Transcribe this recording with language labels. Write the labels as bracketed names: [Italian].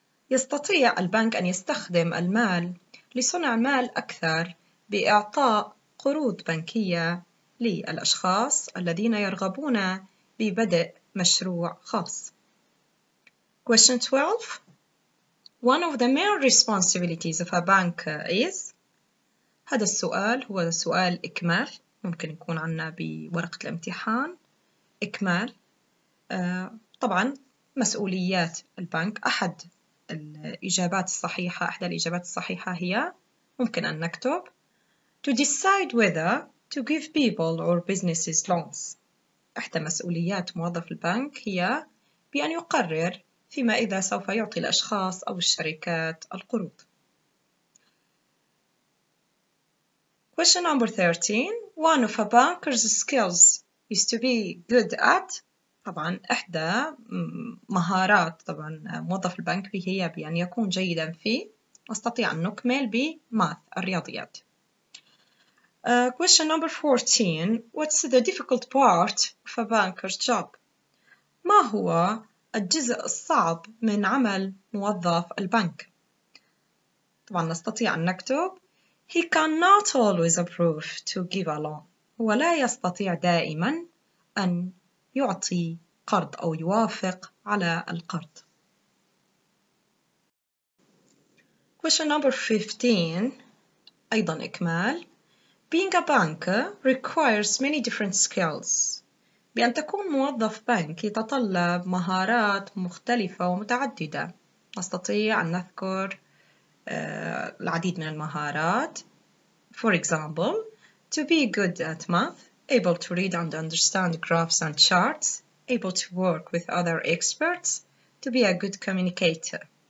[Arabic] يستطيع البنك أن يستخدم المال لصنع مال أكثر بإعطاء قروض بنكية للأشخاص الذين يرغبون ببدء مشروع خاص. [English] Question 12. One of the main responsibilities of a banker is. [Arabic] هذا السؤال هو سؤال إكمال ممكن يكون عنا بورقة الامتحان. إكمال. طبعا مسؤوليات البنك. أحد الإجابات الصحيحة أحد الإجابات الصحيحة هي ممكن أن نكتب [English] to decide whether to give people or businesses loans. [Arabic] إحدى مسؤوليات موظف البنك هي بأن يقرر فيما إذا سوف يعطي الأشخاص أو الشركات القروض. [English] Question number 13. One of a banker's skills is to be good at. [Arabic] طبعاً إحدى مهارات طبعاً موظف البنك هي بأن يكون جيداً في. أستطيع أن نكمل بماث الرياضيات. [English] Question number 14. What's the difficult part of a banker's job? [Arabic] ما هو الجزء الصعب من عمل موظف البنك؟ طبعا نستطيع أن نكتب [English] He cannot always approve to give a loan. [Arabic] هو لا يستطيع دائما أن يعطي قرض أو يوافق على القرض. [English] Question number 15 [Arabic] أيضا إكمال [English] Being a banker requires many different skills. [Arabic] بأن تكون موظف بنك يتطلب مهارات مختلفة ومتعددة. نستطيع أن نذكر العديد من المهارات. [English] For example, to be good at math, able to read and understand graphs and charts, able to work with other experts, to be a good communicator.